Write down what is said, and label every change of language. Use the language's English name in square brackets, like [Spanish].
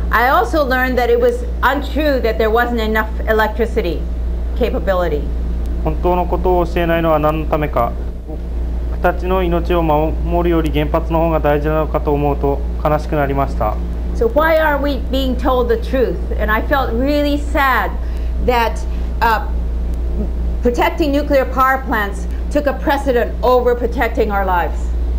[English] I also learned that it was untrue that there wasn't enough electricity capability. [Japanese] 本当のことを教えないのは何のためか。僕たちの命を守るより原発の方が大事なのかと思うと悲しくなりました。 [English] So why aren't we being told the truth? And I felt really sad that protecting nuclear power plants took a precedent over protecting our lives.